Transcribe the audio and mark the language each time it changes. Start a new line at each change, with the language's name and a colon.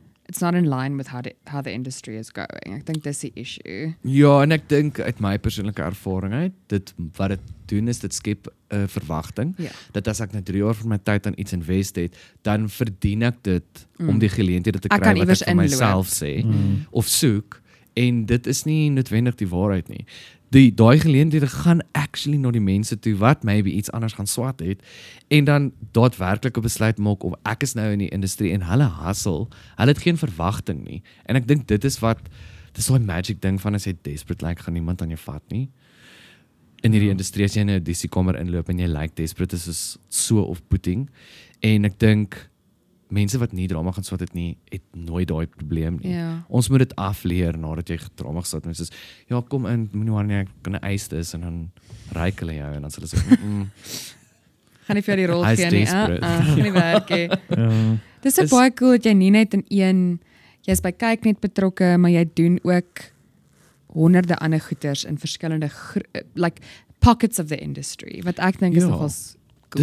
English: It's not in line with how the industry is going. I think that's the issue.
Afrikaans: Ja, en ek dink uit my persoonlike ervaring uit, wat dit doen is, dit skep 'n verwagting.
English: Yeah.
Afrikaans: Dat as ek na 3 jaar van my tyd aan iets invest het, dan verdien ek dit om die geleenthede te kry wat ek vir myself sê. Mm. Of soek. En dit is nie noodwendig die waarheid nie. Daai geleenthede gaan actually na die mense toe wat maybe iets anders gaan swat het en dan daadwerklik 'n besluit maak of ek is nou in die industrie en hulle hustle, hulle het geen verwagting nie. En ek dink dit is daai magic ding van as jy desperate lyk, gaan niemand aan jou vat nie. In hierdie industrie, as jy in 'n audisiekamer inloop en jy lyk desperate, is dit so off-putting. En ek dink mense wat nie drama gaan swat het nie, het nooit daai probleem nie.
English: Yeah.
Afrikaans: Ons moet dit afleer nadat jy drama gesat het. Soos, ja, kom in, moenie waar nie, ek kan een eis dis, en dan reik hulle jou, en dan sê, gaan nie vir jou die rol gee nie. Gaan nie werk, ja. Dis so baie cool, dat jy nie net in een, jy is by kyk net betrokke, maar jy doen ook honderde ander goeders in verskillende, like,
English: pockets of the industry,
Afrikaans: wat ek denk is nogals cool.